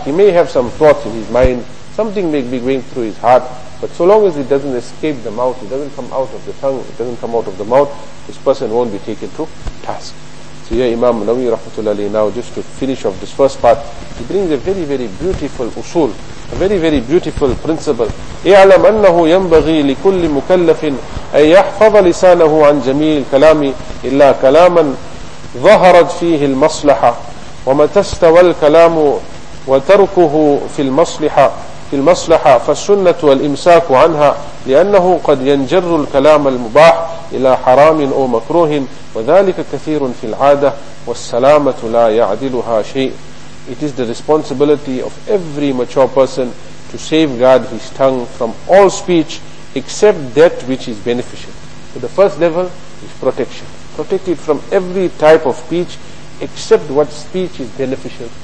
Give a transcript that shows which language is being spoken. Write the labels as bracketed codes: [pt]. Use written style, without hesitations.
[en] He may have some thoughts in his mind, something may be going through his heart, but so long as it doesn't escape the mouth, it doesn't come out of the tongue, it doesn't come out of the mouth, this person won't be taken to task. So here Imam Nawawi rahmatullahi, now just to finish off this first part, he brings a very, very beautiful usul, a very, very beautiful principle. [ar] اِعْلَمْ أَنَّهُ يَنْبَغِي لِكُلِّ مُكَلَّفٍ أن يحفظ لسانه عن جميع الكلام إلا كلاما ظهرت فيه المصلحة، ومتى استوى الكلام وتركه في المصلحة فالسنة والإمساك عنها، لأنه قد ينجر الكلام المباح إلى حرام أو مكروه، وذلك كثير في العادة، والسلامة لا يعدلها شيء. [en] It is the responsibility of every mature person to safeguard his tongue from all speech except that which is beneficial. So the first level is protection. Protect it from every type of speech except what speech is beneficial.